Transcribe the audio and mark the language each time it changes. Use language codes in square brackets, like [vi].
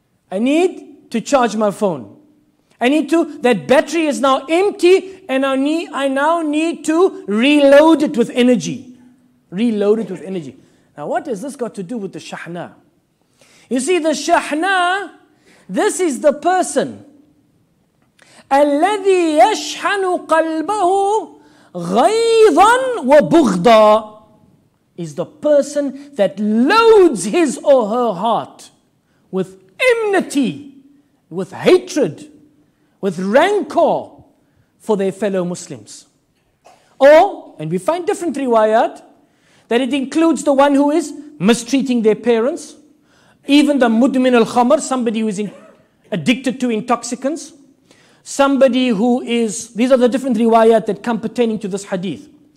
[en] I need to charge my phone. I need to, that battery is now empty and I now need to reload it with energy. Reload it with energy. Now what has this got to do with the shahna? You see, the shahna, this is the person. [ar] الذي يشحن قلبه غيظا وبغضا. [en] Is the person that loads his or her heart with enmity, with hatred, with rancor for their fellow Muslims. Or, and we find different riwayat, that it includes the one who is mistreating their parents, even the mudmin al-khamr, somebody who is addicted to intoxicants, somebody who is, these are the different riwayat that come pertaining to this hadith.